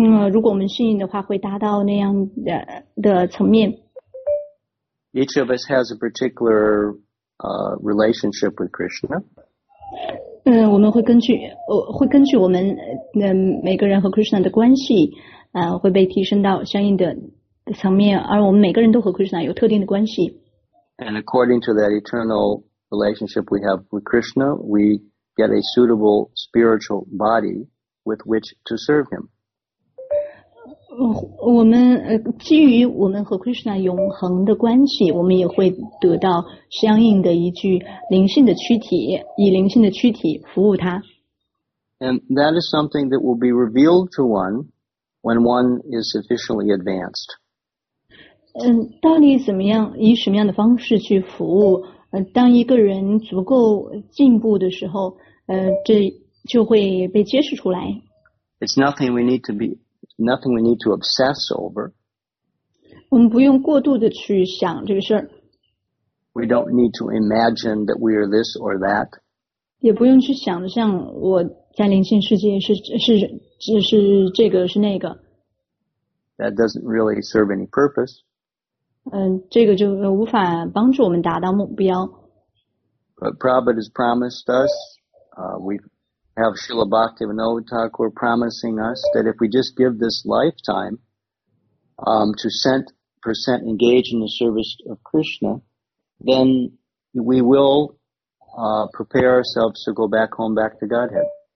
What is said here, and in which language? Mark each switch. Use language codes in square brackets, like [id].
[zh] 如果我们幸运的话，会达到那样的层面。 [en] Each of us has a particular relationship with Krishna. [zh] 我们会根据我们每个人和 Krishna 的关系，会被提升到相应的层面，而我们每个人都和 Krishna 有特定的关系。 [en] And according to that eternal relationship we have with Krishna, we get a suitable spiritual body with which to serve him. [zh] 我们基于我们和 Krishna 永恒的关系，我们也会得到相应的一具灵性的躯体，以灵性的躯体服务他。 [en] And that is something that will be revealed to one when one is sufficiently advanced. [zh] 到底怎么样，以什么样的方式去服务？当一个人足够进步的时候，这就会被揭示出来。 [en] It's nothing we need to be. Nothing we need to obsess over. [zh] 我们不用过度的去想这个事儿。 [en] We don't need to imagine that we are this or that. [zh] 也不用去想象我在灵性世界是这个是那个。 [en] That doesn't really serve any purpose. [zh] 这个就无法帮助我们达到目标。 [en] But Prabhupada has promised us, we have Srila Bhaktivinoda Thakur promising us that if we just give this lifetime to 100% engage in the service of Krishna, then we will prepare ourselves to go back home, back to Godhead.